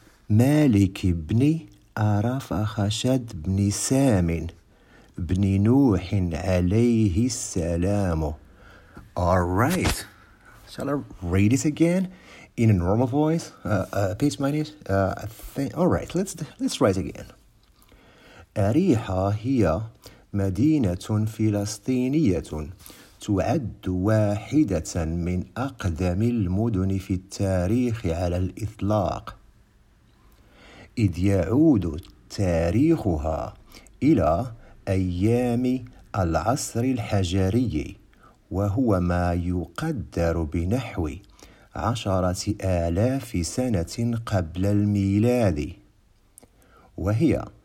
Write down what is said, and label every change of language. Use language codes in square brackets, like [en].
[ar] مالك بن أرفخشد بن سام بن نوح عليه السلام. [en] All right. Shall I read it again in a normal voice? All right, let's try it again. [ar] أريحة هي مدينة فلسطينية تعد واحدة من أقدم المدن في التاريخ على الإطلاق إذ يعود تاريخها إلى أيام العصر الحجري وهو ما يقدر بنحو 10,000 سنة قبل الميلاد وهي